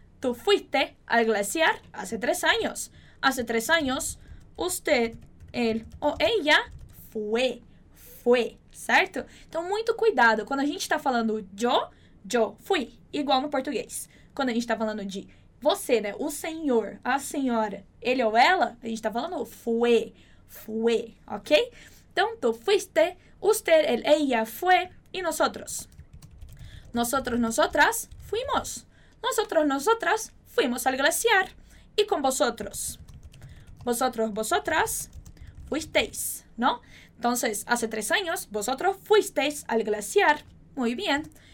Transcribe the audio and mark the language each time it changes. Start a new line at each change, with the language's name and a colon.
Spanish: Tu fuiste al glaciar hace 3 anos. Hace 3 anos, usted, él o ella fue.
Portuguese: Certo? Então, muito cuidado. Quando a gente está falando
Spanish: yo fui,
Portuguese: igual no português. Quando a gente está falando de você, né? O senhor, a senhora, ele ou ela, a gente está falando fue, ok?
Spanish: Então, tu fuiste, usted, él, ella, fue, e nosotros. Nosotros, nosotras, fuimos. Nosotros, nosotras, fuimos al glaciar. E com vosotros. Vosotros, vosotras, fuisteis, ¿no? Entonces, hace 3 años, vosotros fuisteis al glaciar. Muy bien.